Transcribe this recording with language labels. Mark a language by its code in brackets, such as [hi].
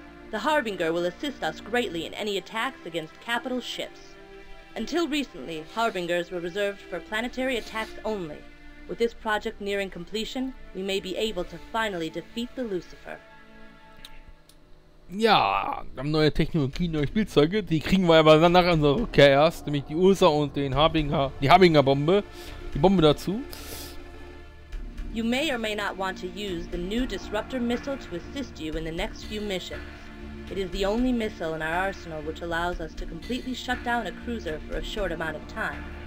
[en] The Harbinger will assist us greatly in any attacks against capital ships. Until recently, Harbingers were reserved for planetary attacks only. With this project nearing completion, we may be able to finally defeat the Lucifer. [de] Ja, wir haben neue Technologien, neue Spielzeuge. Die kriegen wir aber dann nach unserer Rückkehr erst, nämlich die Ursa und den Harbinger, die Harbinger-Bombe. Die Bombe dazu. [en] You may or may not want to use the new disruptor missile to assist you in the next few missions. It is the only missile in our arsenal which allows us to completely shut down a cruiser for a short amount of time.